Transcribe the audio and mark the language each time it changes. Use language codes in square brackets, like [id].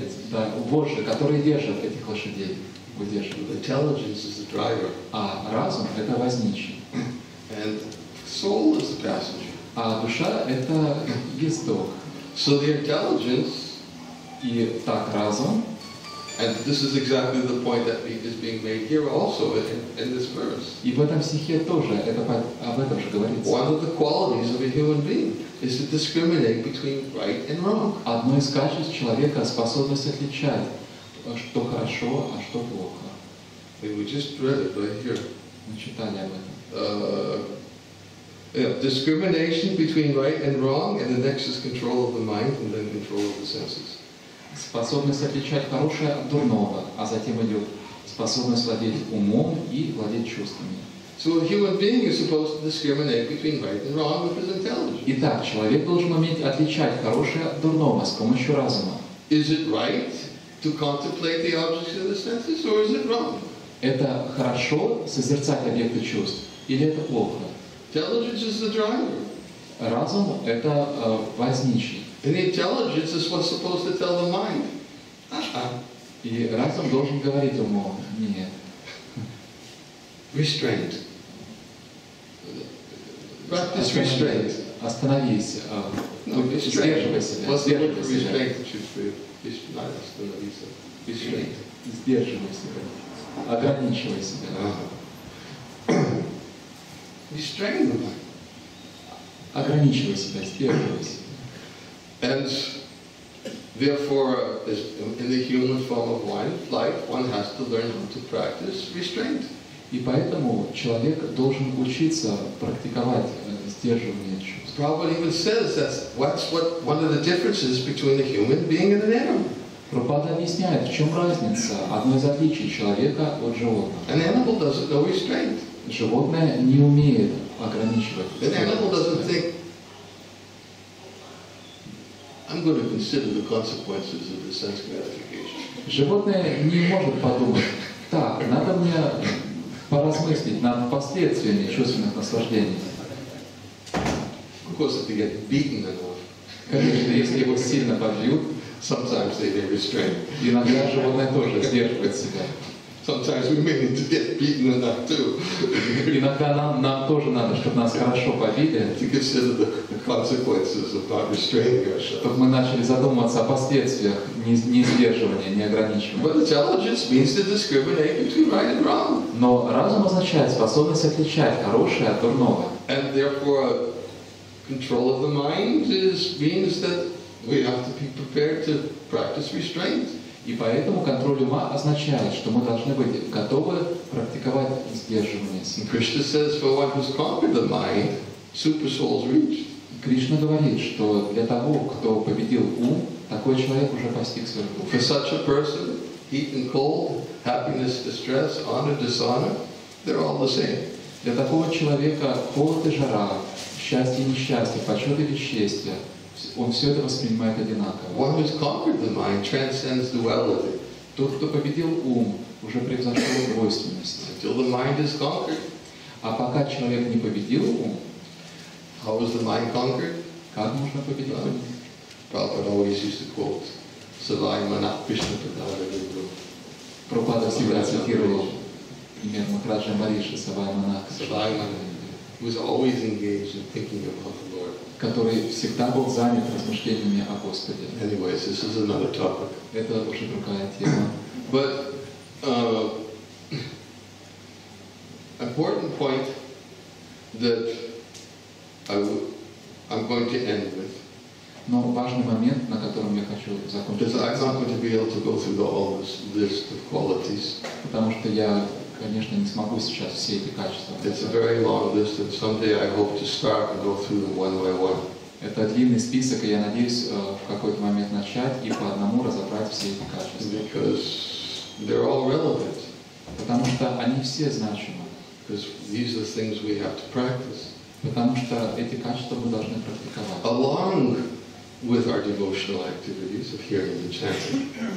[ru] Да, вожжи, которые держат этих лошадей, удерживают. [en] Intelligence is the driver. [ru] А разум — это возничий. [en] And soul is the passenger. [ru] А душа — это ездок. [en] So the intelligence. [ru] И так разум. [en] And this is exactly the point that is being made here also in this verse. [ru] И в этом стихе тоже это об этом же говорится. [en] One of the qualities of a human being. Is to discriminate between right and wrong. [ru] Одно из качеств человека — способность отличать, что хорошо, а что плохо. [en] We just read it right here. [ru] Мы читали об этом. [en] Discrimination between right and wrong, and the next is control of the mind, and then control of the senses. [ru] Способность отличать хорошее от дурного, а затем идет способность владеть умом и владеть чувствами. [en] So a human being is supposed to discriminate between right and wrong with his intelligence. [ru] Итак, человек должен уметь отличать хорошее от дурного с помощью разума. [en] Is it right to contemplate the objects of the senses, or is it wrong? [ru] Это хорошо созерцать объекты чувств, или это плохо? [en] Intelligence is the driver. [ru] Разум — это возничий. [en] And the intelligence is what's supposed to tell the mind. [ru] И разум должен говорить уму: нет. [en] Restraint. Practice restraint. [ru] Остановись. Сдерживай себя. Ограничивай себя. [en] restrain the mind. [ru] Ограничивай себя, сдерживайся. [en] And therefore, in the human form of life, one has to learn how to practice restraint. [ru] И поэтому человек должен учиться практиковать сдерживание чувств. [en] Prabhupada even says that's one of the differences between a human being and an animal. [ru] Прабхупада объясняет, в чем разница, одно из отличий человека от животного. [en] An animal doesn't know restraint. [ru] Животное не умеет ограничивать. [en] An animal doesn't think, I'm going to consider the consequences of the sense gratification. [ru] Животное не может подумать, так, надо мне поразмыслить над последствиями чувственных наслаждений. [en] Of course, if they get beaten enough. [ru] Конечно, если его сильно побьют, [en] sometimes they get restrained. [ru] Иногда животное тоже сдерживает себя. [en] Sometimes we may need to get beaten enough too. [ru] Иногда нам тоже надо, чтобы нас хорошо побили. [en] To consider the consequences of not restraining ourselves. [ru] Чтобы мы начали задумываться о последствиях не сдерживания, не ограничивания. [en] But intelligence means to discriminate between right and wrong. [ru] Но разум означает способность отличать хорошее от дурного. [en] And therefore, control of the mind means that we have to be prepared to practice restraint. [ru] И поэтому контроль ума означает, что мы должны быть готовы практиковать сдерживание. [en] Krishna says, for one who's conquered the mind, super soul's reached. [ru] Кришна говорит, что для того, кто победил ум, такой человек уже постиг свою душу. [en] For such a person, heat and cold, happiness, distress, honor, dishonor, they're all the same. Для такого человека холод и жара, счастье и несчастье, почет и бесчестие. [ru] Он все это воспринимает одинаково. [en] One who has conquered the mind transcends duality. [ru] Тот, кто победил ум, уже превзошел двойственность. [en] Until the mind is conquered. [ru] А пока человек не победил ум, [en] how is the mind conquered? [ru] Как можно победить ум? [en] Prabhupada always used to quote Savai Manah Krishna Padara Vindu. [ru] Прабхупада всегда цитировал пример Махараджа Мариши Савай Манах. [en] Савай Манах was always engaged in thinking about the Lord. [ru] Который всегда был занят размышлениями о Господе. [en] Anyways, this is another topic. [ru] Это уже другая тема. [en] But important point that I'm going to end with. [ru] Но важный момент, на котором я хочу закончить. [en] Because I'm not going to be able to go through the whole list of qualities. [ru] Потому что я, конечно, не смогу сейчас все эти качества. [en] It's a very long list, and someday I hope to start and go through them one by one. [ru] Это длинный список, и я надеюсь в какой-то момент начать и по одному разобрать все эти качества. [en] Because they're all relevant. [ru] Потому что они все значимы. [en] Because these are things we have to practice. [ru] Потому что эти качества мы должны практиковать. [en] Along with our devotional activities of hearing and chanting.